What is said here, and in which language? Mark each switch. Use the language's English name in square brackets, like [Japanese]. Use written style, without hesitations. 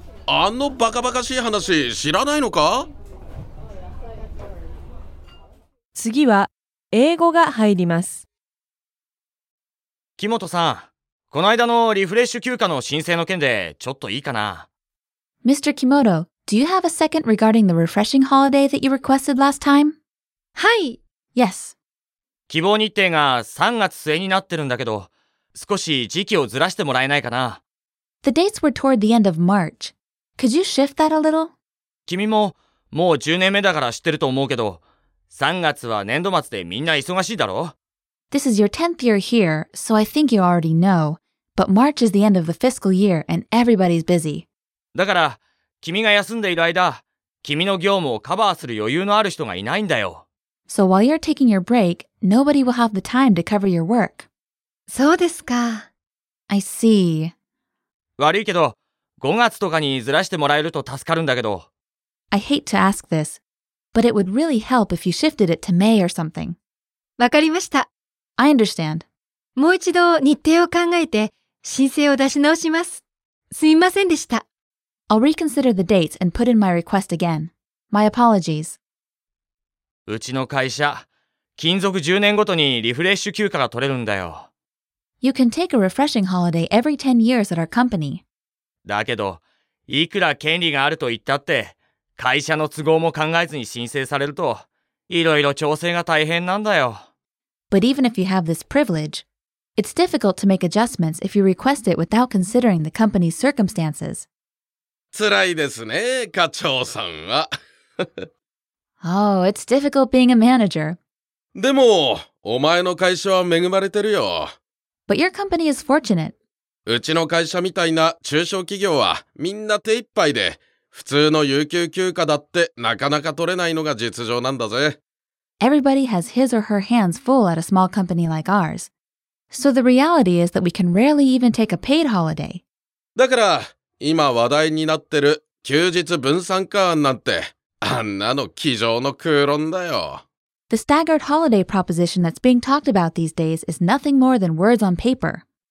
[Japanese] あのバカバカしい話知らないのか？次は英語が入ります。木本さん、この間のリフレッシュ休暇の申請の件でちょっといいかな？ [English] Mr. Kimoto, do you have a second regarding the refreshing holiday that you requested last time? [Japanese] はい。 [English] Yes. [Japanese] 希望日程が3月末になってるんだけど、少し時期をずらしてもらえないかな？ [English] The dates were toward the end of March. Could you shift that a little? [Japanese] 君ももう10年目だから知ってると思うけど、3月は年度末でみんな忙しいだろ？ [English] This is your 10th year here, so I think you already know. But March is the end of the fiscal year, and everybody's busy. [Japanese] だから、君が休んでいる間、君の業務をカバーする余裕のある人がいないんだよ。 [English] So while you're taking your break, nobody will have the time to cover your work. [Japanese] そうですか。 [English] I see. [Japanese] 悪いけど、5月とかにずらしてもらえると助かるんだけど。 [English] I hate to ask this, but it would really help if you shifted it to May or something. [Japanese] わかりました。 [English] I understand. [Japanese] もう一度日程を考えて申請を出し直します。すみませんでした。 [English] I'll reconsider the dates and put in my request again. My apologies. [Japanese] うちの会社、勤続10年ごとにリフレッシュ休暇が取れるんだよ。 [English] You can take a refreshing holiday every 10 years at our company. [Japanese] だけど、いくら権利があると言ったって、会社の都合も考えずに申請されると、いろいろ調整が大変なんだよ。 [English] But even if you have this privilege, it's difficult to make adjustments if you request it without considering the company's circumstances. [Japanese] つらいですね、課長さんは。 [English] Oh, it's difficult being a manager. [Japanese] でも、お前の会社は恵まれてるよ。 [English] But your company is fortunate. [Japanese] うちの会社みたいな中小企業はみんな手一杯で、普通の有給休暇だってなかなか取れないのが実情なんだぜ。 [English] Everybody has his or her hands full at a small company like ours. So the reality is that we can rarely even take a paid holiday. [Japanese] だから、今話題になってる休日分散化案なんて、あんなの机上の空論だよ。 [English] The staggered holiday proposition that's being talked about these days is nothing more than words on paper.